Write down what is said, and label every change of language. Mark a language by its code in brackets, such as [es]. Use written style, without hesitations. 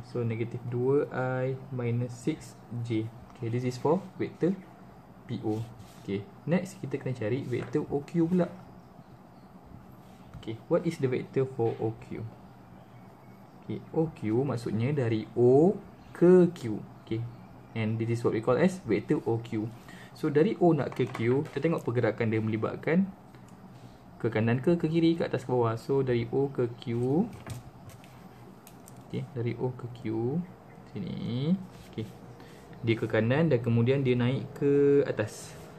[en] So negatif 2i minus 6j. Okay, this is for vector PO. Okay, next [ms] kita kena cari vector OQ pula. [en] Okay, what is the vector for OQ? [ms] Okay, OQ maksudnya dari O ke Q. [en] Okay, and this is what we call as vector OQ. [ms] So dari O nak ke Q, kita tengok pergerakan dia melibatkan ke kanan ke, ke kiri, ke atas, ke bawah. So dari O ke Q, okay, dari O ke Q sini, okay, dia ke kanan dan kemudian dia naik ke atas.